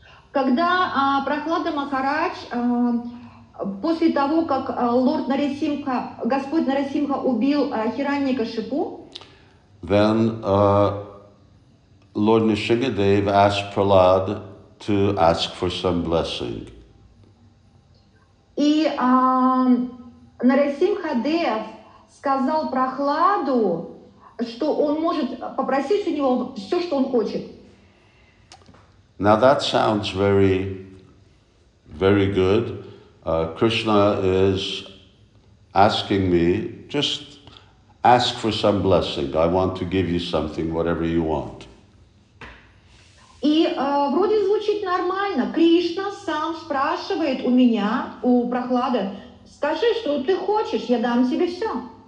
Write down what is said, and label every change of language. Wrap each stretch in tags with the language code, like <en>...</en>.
<ru>когда Прохлада Махарадж после того, как лорд Нарисимха, господь Нарисимха убил Хираньякашипу,</ru> <en>then Lord Nrisimhadev asked Prahlad to ask for some blessing.</en> <ru>И Нарисимхадев сказал Прохладу, что он может попросить у него все, что он хочет.</ru> <en>Now that sounds very, very good. Krishna is asking me, just ask for some blessing. I want to give you something, whatever you want.</en> <ru>И вроде звучит нормально. Кришна сам спрашивает у меня, у Прохлады, скажи, что ты хочешь, я дам тебе все.</ru>